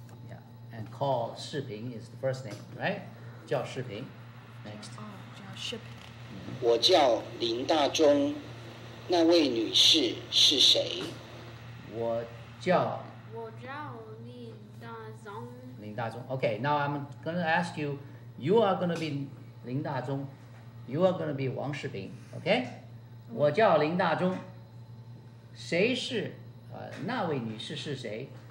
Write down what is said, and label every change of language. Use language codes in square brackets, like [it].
[en] Yeah, and call 世平 is the first name, right? [zh] 叫世平. [en] Next. [zh] 叫世平. 我叫林大宗, 那位女士是谁? 我叫. 林大宗. [en] Okay, now I'm going to ask you, you are going to be 林大宗, you are going to be 王世平, okay? [zh] 我叫林大宗, 谁是, 那位女士是谁?